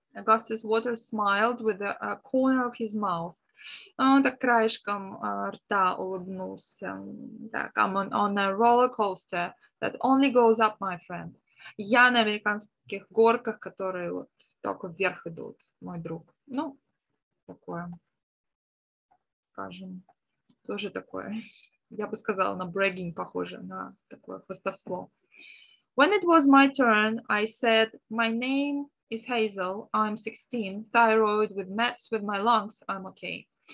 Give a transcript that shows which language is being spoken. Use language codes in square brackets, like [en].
[en] Augustus Waters smiled with the corner of his mouth. [ru] Он так краешком рта улыбнулся. Так, [en] I'm on a roller coaster that only goes up, my friend. [ru] Я на американских горках, которые вот только вверх идут, мой друг. Ну, такое, скажем, тоже такое. Я бы сказала, на брэггинг похоже, на такое хвастовство. [en] When it was my turn, I said, my name is Hazel, I'm 16, thyroid with mets with my lungs, I'm okay.